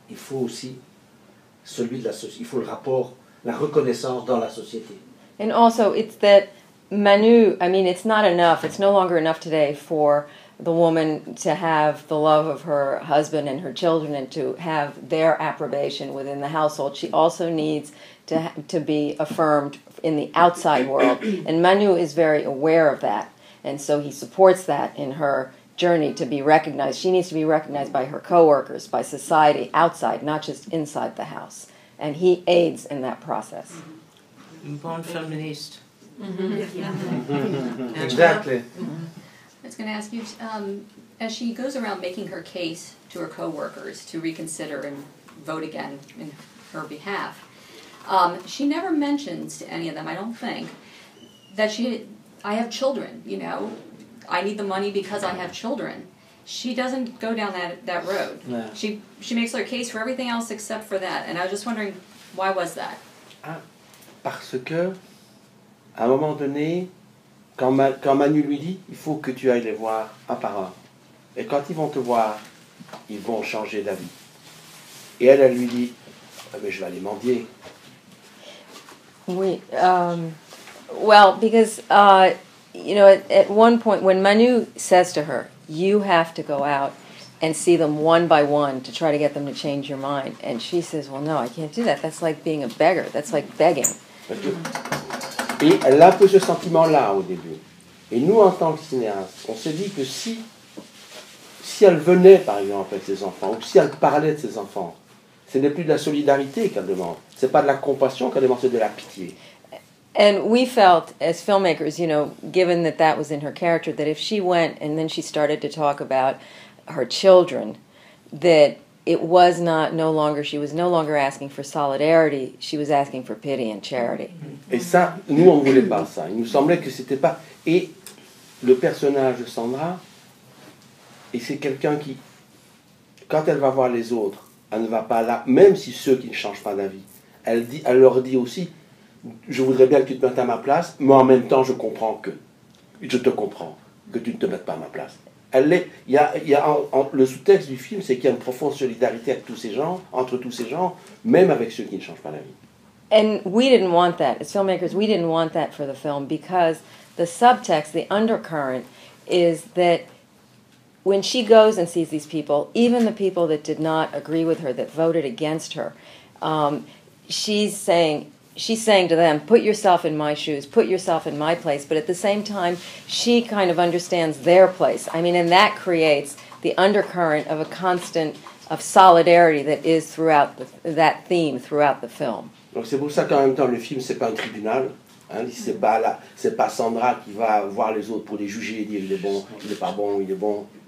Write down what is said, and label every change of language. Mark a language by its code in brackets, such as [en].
[fr] Il faut aussi celui de la société. Il faut le rapport, la reconnaissance dans la société. [en] And also, it's that Manu, I mean, it's not enough. It's no longer enough today for the woman to have the love of her husband and her children and to have their approbation within the household. She also needs to be affirmed in the outside world. And Manu is very aware of that. And so he supports that in her journey to be recognized. She needs to be recognized by her coworkers, by society outside, not just inside the house. And he aids in that process. I'm born feminist. Mm-hmm. Exactly. I was going to ask you, as she goes around making her case to her coworkers to reconsider and vote again in her behalf, she never mentions to any of them, I don't think, that she, I have children, you know, I need the money because I have children. She doesn't go down that road. No. She makes her case for everything else except for that. And I was just wondering, why was that? [fr] Parce que, à un moment donné, quand Manu lui dit, il faut que tu ailles les voir un par un. Et quand ils vont te voir, ils vont changer d'avis. Et elle lui dit, mais je vais aller mendier. Oui. [en] Well, because, you know, at one point, when Manu says to her, you have to go out and see them one by one to try to get them to change your mind. And she says, well, no, I can't do that. That's like being a beggar. That's like begging. [fr] Et elle a un peu ce sentiment-là au début. Et nous, en tant que cinéastes, on s'est dit que si elle venait, par exemple, avec ses enfants, ou si elle parlait de ses enfants, ce n'est plus de la solidarité qu'elle demande. Ce n'est pas de la compassion qu'elle demande, c'est de la pitié. And we felt, as filmmakers, you know, given that that was in her character, that if she went and then she started to talk about her children, that it was not no longer, she was no longer asking for solidarity, she was asking for pity and charity. Et ça, nous on voulait pas ça. Il nous semblait que c'était pas... Et le personnage de Sandra, et c'est quelqu'un qui, quand elle va voir les autres, elle ne va pas là, même si ceux qui ne changent pas d'avis, elle leur dit aussi, je voudrais bien que tu te mettes à ma place, mais en même temps je comprends que, je te comprends, que tu ne te mettes pas à ma place. Le sous-texte du film, c'est qu'il y a une profonde solidarité avec tous ces gens, entre tous ces gens, même avec ceux qui ne changent pas la vie. [en] And we didn't want that. As filmmakers, we didn't want that for the film because the subtext, the undercurrent, is that when she goes and sees these people, even the people that did not agree with her, that voted against her, she's saying to them, put yourself in my shoes, put yourself in my place, but at the same time, she kind of understands their place. I mean, and that creates the undercurrent of a constant of solidarity that is throughout that theme, throughout the film. [fr] Donc c'est pour ça qu'en même temps, le film, c'est pas un tribunal. Hein, c'est pas Sandra qui va voir les autres pour les juger et dire il est bon, il est pas bon, il est bon.